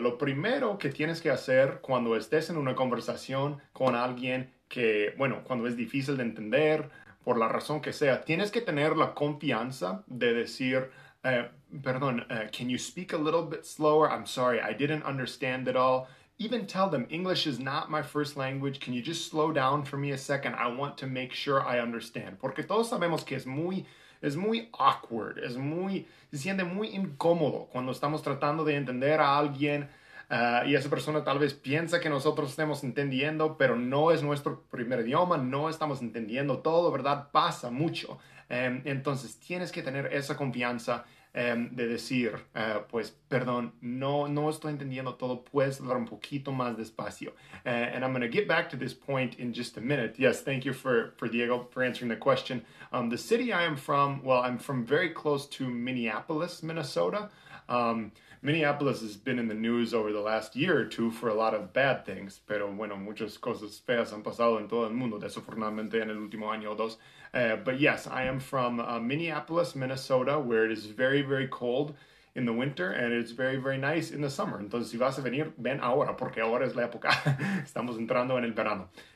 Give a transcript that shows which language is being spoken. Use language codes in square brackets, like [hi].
[es] Lo primero que tienes que hacer cuando estés en una conversación con alguien que, bueno, cuando es difícil de entender, por la razón que sea, tienes que tener la confianza de decir, [en] can you speak a little bit slower? I'm sorry, I didn't understand it all. Even tell them, English is not my first language. Can you just slow down for me a second? I want to make sure I understand. [es] Porque todos sabemos que es muy awkward, se siente muy incómodo cuando estamos tratando de entender a alguien. Y esa persona tal vez piensa que nosotros estemos entendiendo, pero no es nuestro primer idioma, no estamos entendiendo todo, ¿verdad? Pasa mucho. Entonces tienes que tener esa confianza de decir, perdón, no estoy entendiendo todo, puedes hablar un poquito más despacio. [en] And I'm going to get back to this point in just a minute. Yes, thank you for Diego for answering the question. The city I am from, well, I'm from very close to Minneapolis, Minnesota. Minneapolis has been in the news over the last year or two for a lot of bad things. [es] Pero bueno, muchas cosas feas han pasado en todo el mundo, desafortunadamente, en el último año o dos. [en] But yes, I am from Minneapolis, Minnesota, where it is very, very cold in the winter and it's very, very nice in the summer. [es] Entonces, si vas a venir, ven ahora, porque ahora es la época. Estamos entrando en el verano.